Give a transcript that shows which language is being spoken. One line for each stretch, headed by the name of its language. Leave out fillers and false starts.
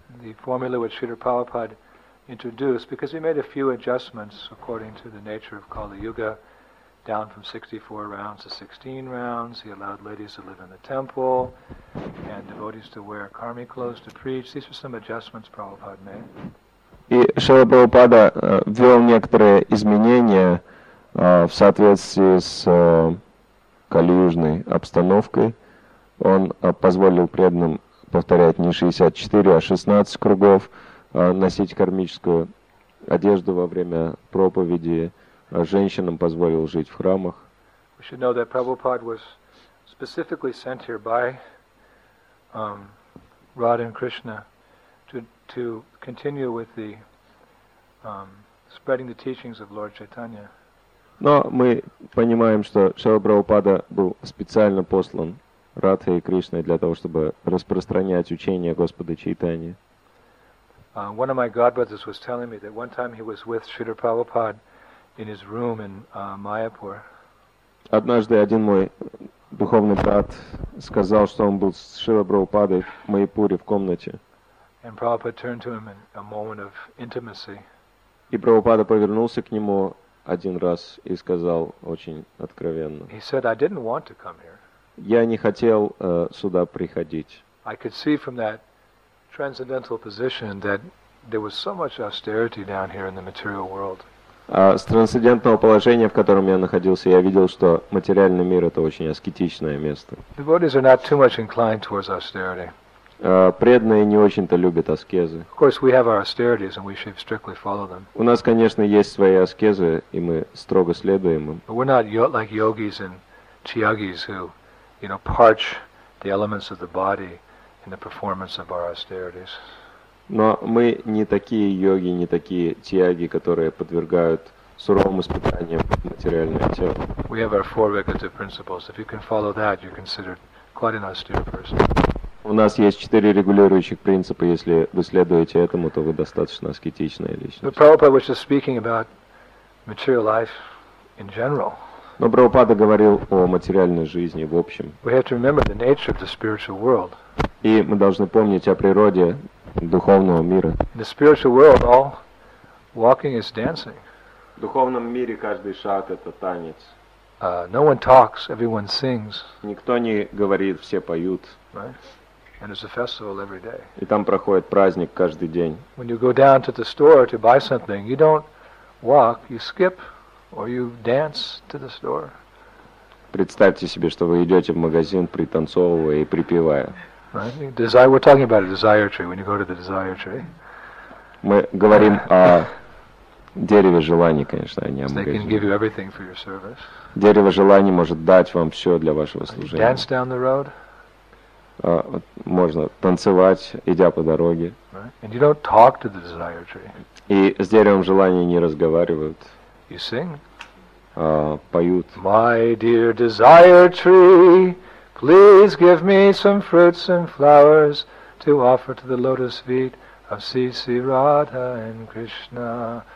English: The formula which Śrīla Prabhupāda introduced, because he made a few adjustments according to the nature of Kali Yuga, down from 64 rounds to 16 rounds. He allowed ladies to live in the temple and devotees to wear karmi clothes to preach. These were some adjustments Prabhupada made.
Russian: И Шрила Прабхупада ввел некоторые изменения в соответствии с калиюжной обстановкой он позволил преданным повторять не 64, а 16 кругов, носить кармическую одежду во время проповеди, а женщинам позволил жить в храмах.
English: We should know that Prabhupada was specifically sent here by Radha and Krishna to continue with the spreading the teachings of Lord Chaitanya.
Russian: Но мы понимаем, что Шрила Прабхупада был специально послан Радхой и Кришной для того, чтобы распространять учение Господа Чайтани.
English: One of my godbrothers was telling me that one time he was with Shridhar Prabhupada in his room in Mayapur.
Russian: Однажды один мой духовный брат сказал, что он был с Шрилой Прабхупадой в Майпуре в комнате.
English: And Prabhupada turned to him in a moment of intimacy.
Russian: И Прабхупада повернулся к нему один раз и сказал очень откровенно.
English: He said, "I didn't want to come here."
Russian: Я не хотел сюда приходить.
English: I could see from that transcendental position that there was so much austerity down here in the material world.
Russian: С трансцендентного положения, в котором я находился, я видел, что материальный мир — это очень аскетичное место.
English: Devotees are not too much inclined towards austerity.
Russian: Преданные не очень-то любят аскезы.
English: Of course, we have our austerities, and we should strictly follow them.
Russian: У нас, конечно, есть свои аскезы, и мы строго следуем им.
English: But we're not like yogis and tyagis who, you know, parch the elements of the body in the performance of our austerities.
Russian: Но мы не такие йоги, не такие тьяги, которые подвергают суровым испытаниям материальное тело.
English: We have our four regulative principles. If you can follow that, you're considered quite an austere person.
Russian: У нас есть четыре регулирующих принципа. Если вы следуете этому, то вы достаточно аскетичная личность.
English: But Prabhupada was just speaking about material life in general.
Russian: Но Прабхупада говорил о материальной жизни в общем.
English: We have to remember the nature of the spiritual world.
Russian: И мы должны помнить о природе духовного мира.
English: In the spiritual world, all walking is dancing.
Russian: В духовном мире каждый шаг — это танец.
English: No one talks, everyone sings.
Russian: Никто не говорит, все поют.
English: Right? And it's a festival every day.
Russian: И там проходит праздник каждый день.
English: When you go down to the store to buy something, you don't walk, you skip, or you dance to the store.
Russian: Представьте себе, что вы идете в магазин, пританцовывая и припевая.
English: Right? Desire. We're talking about a desire tree. When you go to the desire tree.
Russian: Мы говорим о дереве желаний, конечно, а не о магазине.
English: They can give you everything for your service.
Russian: Дерево желаний может дать вам все для вашего служения.
English: Dance down the road.
Russian: Можно танцевать, идя по дороге.
English: Right? And you don't talk to the desire tree.
Russian: И с деревом желаний не разговаривают.
English: You sing.
Russian: Поют.
English: My dear desire tree, please give me some fruits and flowers to offer to the lotus feet of Sisi Radha and Krishna.